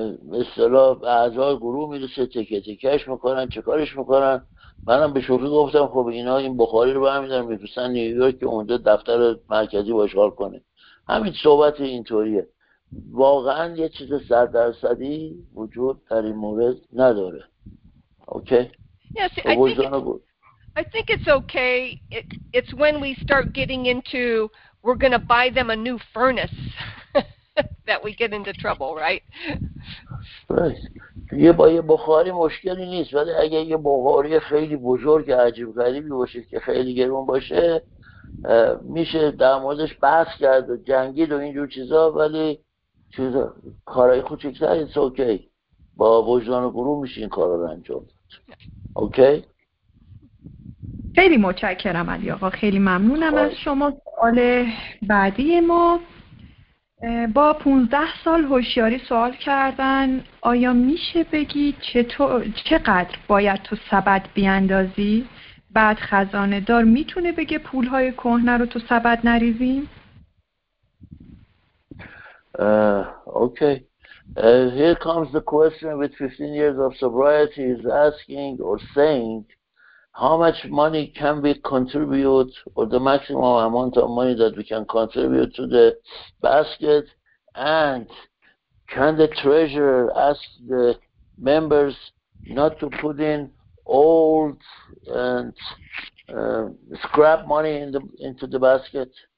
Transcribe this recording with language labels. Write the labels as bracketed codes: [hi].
[fa] به اصطلاح اعضای گروه میرسه تکه تکهش میکنن چه کارش میکنن منم به شوخی گفتم خب اینا این بخاری رو برمیدارن میفرستن نیویورک که اونجا دفتر مرکزی باشغال کنه همین صحبت اینطوریه واقعا یه چیز 100% وجود در این مورد نداره اوکی [en] Yes, I think it's okay. It's when we start getting into, we're going to buy them a new furnace, that we get into trouble, right? Right. [fa] یه با یه بخاری مشکلی نیست. ولی اگه یه بخاری خیلی بزرگ یا عجیب غریبی باشه که خیلی گرون باشه، میشه در موردش بحث کرد و جنگید و اینجور چیزا، ولی چیزا، کارهای کوچکتر [en] it's okay. [fa] با وجدان و گروه میشه این کارا رو انجام داد. [en] Okay? [fa] خیلی متشکرم علی آقا. خیلی ممنونم از شما. سوال بعدی ما با 15 سال هوشیاری سوال کردن آیا میشه بگی چقدر باید تو سبد بیاندازی؟ بعد خزانه دار میتونه بگه پولهای کهنه رو تو سبد نریزیم؟ [en] Okay. Here comes the question with 15 years of sobriety is asking or saying how much money can we contribute or the maximum amount of money that we can contribute to the basket and can the treasurer ask the members not to put in old and scrap money into the basket?